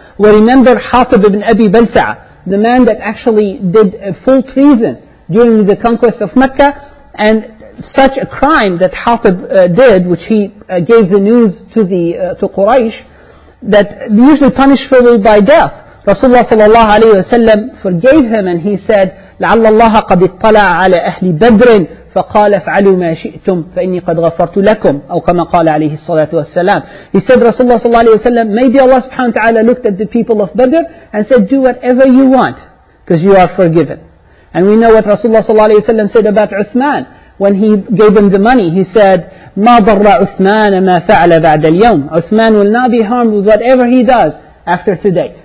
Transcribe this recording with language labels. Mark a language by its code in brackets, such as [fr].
[en] We remember Hatib ibn Abi Balta'a, the man that actually did a full treason during the conquest of Mecca, and such a crime that Hatib did, which he gave the news to Quraysh, that usually punishable by death. Rasulullah sallallahu alayhi wa sallam forgave him and he said, [ar] لَعَلَّ اللَّهَ قَدْ اطَّلَعَ عَلَى أَهْلِ بَدْرٍ فَقَالَ فَعَلُوا مَا شِئْتُمْ فَإِنِّي قَدْ غَفَرْتُ لَكُمْ أَوْ كَمَا قَالَ عَلَيْهِ الصَّلَاةُ وَالسَّلَامُ. [en] He said, Rasulullah sallallahu alayhi wa sallam, maybe Allah subhanahu wa ta'ala looked at the people of Badr and said, do whatever you want because you are forgiven. And we know what Rasulullah sallallahu alayhi wa sallam said about Uthman when he gave him the money. He said, [ar] مَا ضَرَّ عُثْمَانَ مَا فَعْلَ بَعْدَ الْيَوْمِ [en] Uthman will not be harmed with whatever he does after today.